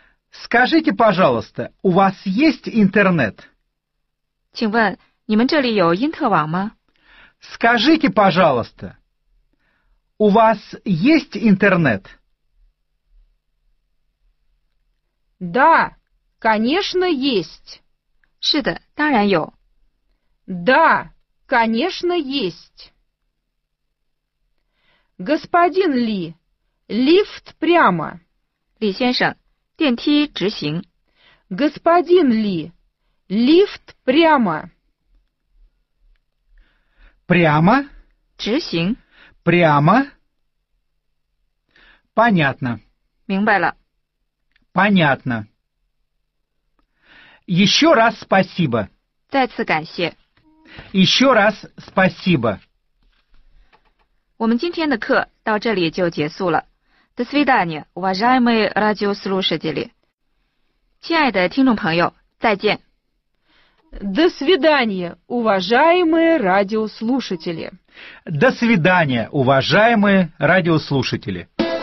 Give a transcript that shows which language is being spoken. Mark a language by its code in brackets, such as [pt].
[ru] Скажите, пожалуйста, у вас есть интернет? [zh] 请问你们这里有因特网吗？ [ru] Скажите, пожалуйста, у вас есть интернет? Да, конечно, есть. [zh] 是的，当然有。 [ru] Да, конечно, есть. Господин Ли, лифт прямо. [zh] 李先生，电梯直行。 [ru] Господин Ли, лифт прямо. Прямо? [zh] 直行。 [ru] Прямо? Понятно. [zh] 明白了。 [ru] Понятно. Еще раз спасибо. [zh] 再次感谢。 [ru] Еще раз спасибо. [zh] 我们今天的课到这里就结束了。 [ru] До свидания, уважаемые радиослушатели. [zh] 亲爱的听众朋友，再见。 [ru] До свидания, уважаемые радиослушатели. До свидания, уважаемые радиослушатели.